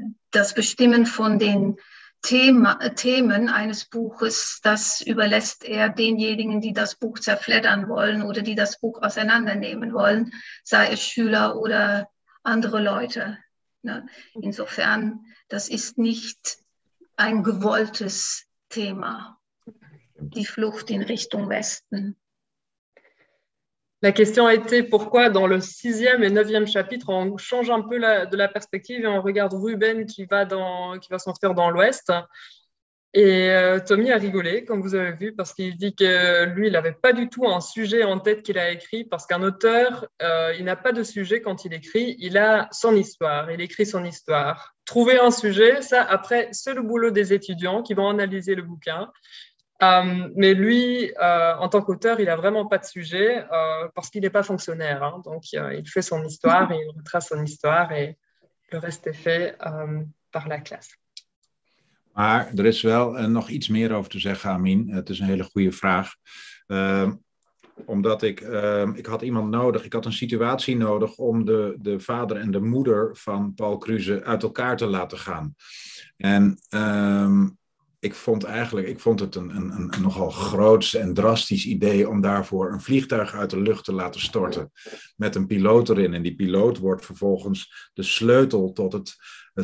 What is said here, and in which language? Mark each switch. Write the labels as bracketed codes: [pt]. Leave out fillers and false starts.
[de] Das Bestimmen von den Themen eines Buches, das überlässt er denjenigen, die das Buch zerfleddern wollen oder die das Buch auseinandernehmen wollen, sei es Schüler oder andere Leute. Ne? Insofern, das ist nicht ein gewolltes Thema, die Flucht in Richtung Westen. [fr] La question a été pourquoi dans le sixième et neuvième chapitre, on change un peu de la perspective et on regarde Ruben qui va s'enfuir dans l'Ouest. Et Tommy a rigolé, comme vous avez vu, parce qu'il dit que lui, il n'avait pas du tout un sujet en tête qu'il a écrit, parce qu'un auteur, il n'a pas de sujet quand il écrit, il a son histoire, il écrit son histoire. Trouver un sujet, ça, après, c'est le boulot des étudiants qui vont analyser le bouquin. Mais lui, en tant qu'auteur, il n'a vraiment pas de sujet, parce qu'il n'est pas fonctionnaire. Hein, donc, il fait son histoire, il retrace son histoire, et le reste est fait par la classe. [nl] Maar er is wel nog iets meer over te zeggen, Armin. Het is een hele goede vraag. Omdat ik had iemand nodig. Ik had een situatie nodig om de vader en de moeder van Paul Kruse uit elkaar te laten gaan. En ik vond het een nogal groots en drastisch idee om daarvoor een vliegtuig uit de lucht te laten storten. Met een piloot erin. En die piloot wordt vervolgens de sleutel tot het